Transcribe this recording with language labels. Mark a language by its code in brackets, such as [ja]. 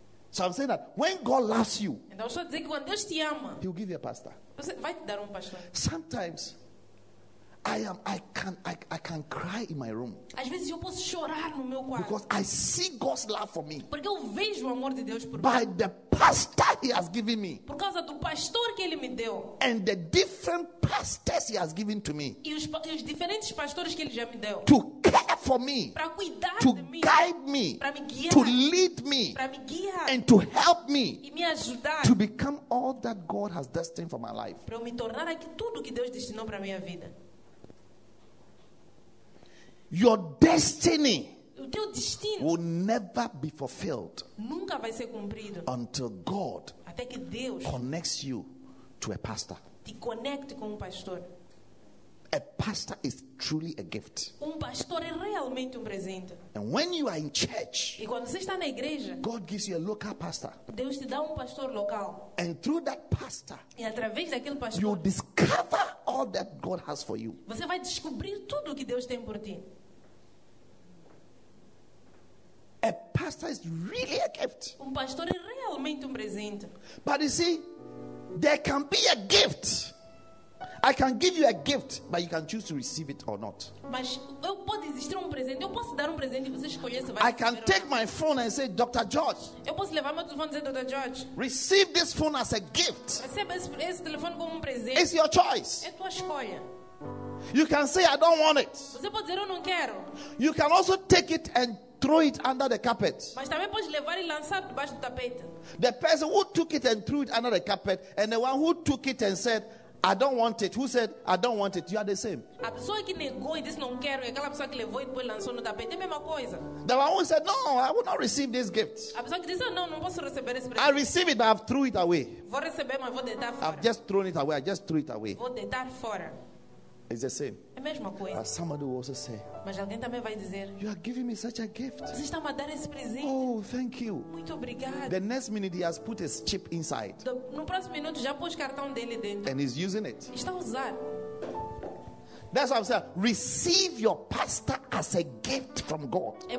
[en] So I'm saying that when God loves you, [pt] então, eu estou a dizer que quando Deus te ama, [en] He will give you a pastor. [pt] Você vai te dar pastor. [en] Sometimes, I can cry in my room. [pt] Às vezes eu posso chorar no meu quarto. [en] Because I see God's love for me. [pt] Porque eu vejo o amor de Deus por [en] by [pt] mim. [en] By the pastor He has given me. [pt] Por causa do pastor que Ele me deu. [en] And the different pastors He has given to me. [pt] E os diferentes pastores que Ele já me deu. [en] To care for me. [pt] Para cuidar [en] to [pt] de mim. [en] To guide me. [pt] Para me guiar. [en] To lead me. [pt] Para me guiar. [en] And to help me. [pt] E me ajudar. [en] To become all that God has destined for my life. [pt] Para eu me tornar aqui tudo que Deus destinou para minha vida. [en] Your destiny [pt] o teu destino [en] will never be fulfilled [pt] nunca vai ser cumprido [en] until God [pt] até que Deus [en] connects you to a pastor. [pt] Te conecte com pastor. [en] A pastor is truly a gift. [pt] Pastor é realmente presente. [en] And when you are in church, [pt] e quando você está na igreja, [en] God gives you a local pastor. [pt] Deus te dá pastor local. [en] And through that pastor, [pt] e através daquele pastor, [en] you discover all that God has for you. [pt] Você vai descobrir tudo que Deus tem por ti. [en] A pastor is really a gift. [pt] Pastor é realmente presente. [en] But you see, there can be a gift. I can give you a gift, but you can choose to receive it or not. [pt] Mas eu posso existir presente. Eu posso dar presente e você escolher se vai. [en] I can take my phone and say, Dr. George. [pt] Eu posso levar meu telefone e dizer, Dr. George. [en] Receive this phone as a gift. [pt] Receba esse telefone como presente. [en] It's your choice. [pt] É tua escolha. [en] You can say, I don't want it. [pt] Você pode dizer, eu não quero. [en] You can also take it and throw it under the carpet. [pt] Mas também pode levar e lançar debaixo do tapete. [en] The person who took it and threw it under the carpet, and the one who took it and said, I don't want it. Who said I don't want it? You are the same. [pt] A pessoa que negou e disse não quero, aquela pessoa que levou e depois lançou no tapete, é a mesma coisa. [en] The one who said no, I will not receive this gift. [pt] A pessoa que disse não posso receber esse presente. [en] I receive it, but I've threw it away. [pt] Vou receber, mas vou deitar fora. [en] I've just thrown it away. I just threw it away. [pt] Vou deitar fora. [en] It's the same. [pt] É a mesma coisa. [en] But somebody will also say. [pt] Mas alguém também vai dizer. [en] You are giving me such a gift. [pt] Você está me dando esse presente. [en] Oh, thank you. [pt] Muito obrigado. [en] The next minute he has put his chip inside. [pt] No próximo minuto já pôs cartão dele dentro. [en] And he's using it. [pt] Está a usar. [en] That's what I'm saying. Receive your pastor as a gift from God.